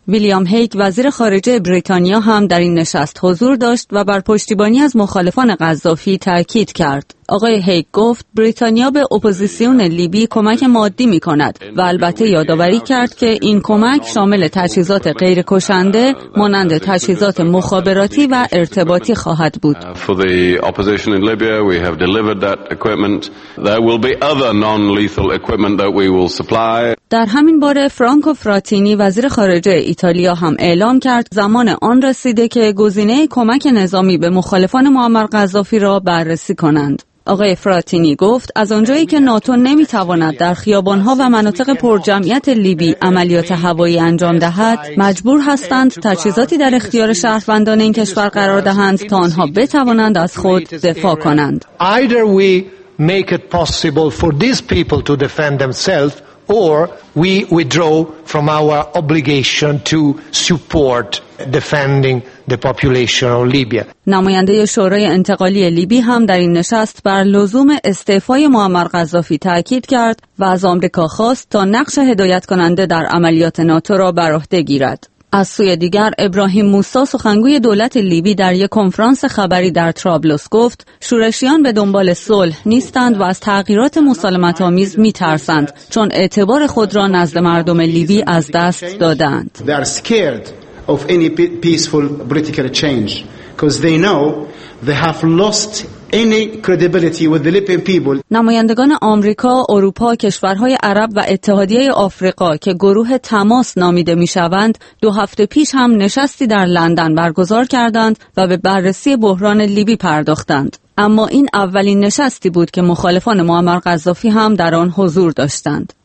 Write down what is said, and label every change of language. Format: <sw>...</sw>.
<fa>ویلیام هیک وزیر خارجه بریتانیا هم در این نشست حضور داشت و بر پشتیبانی از مخالفان قذافی تأکید کرد. آقای هیک گفت بریتانیا به اپوزیسیون لیبی کمک مادی می کند و البته یادآوری کرد که این کمک شامل تجهیزات غیر کشنده مانند تجهیزات مخابراتی و ارتباطی خواهد بود.</fa> <en>For the opposition in Libya we have delivered that equipment. There will be other non-lethal equipment that we will supply.</en> <fa>در همین باره فرانکو فراتینی وزیر خارجه ایتالیا هم اعلام کرد زمان آن رسیده که گزینه کمک نظامی به مخالفان معمر قذافی را بررسی کنند. آقای فراتینی گفت از آنجایی که ناتو نمیتواند در خیابانها و مناطق پرجمعیت لیبی عملیات هوایی انجام دهد، مجبور هستند تجهیزاتی در اختیار شهروندان این کشور قرار دهند تا آنها بتوانند از خود دفاع کنند.</fa> <en>Either we make it possible for these people to defend themselves or we withdraw from our obligation to support defending the population of Libya.</en> <fa>نماینده شورای انتقالی لیبی هم در این نشست بر لزوم استعفای معمر قذافی تاکید کرد و از آمریکا خواست تا نقش هدایت کننده در عملیات ناتو را بر عهده گیرد. از سوی دیگر ابراهیم موسا سخنگوی دولت لیبی در یک کنفرانس خبری در ترابلس گفت شورشیان به دنبال صلح نیستند و از تغییرات مسالمت‌آمیز می‌ترسند چون اعتبار خود را نزد مردم لیبی از دست دادند.</fa> <en>They are scared of any peaceful political change because they know they have lost any credibility with the Libyan people.</en> <fa>نمایندگان آمریکا، اروپا، کشورهای عرب و اتحادیه آفریقا که گروه تماس نامیده می‌شوند، دو هفته پیش هم نشستی در لندن برگزار کردند و به بررسی بحران لیبی پرداختند. اما این اولین نشستی بود که مخالفان معمر قذافی هم در آن حضور داشتند.</fa>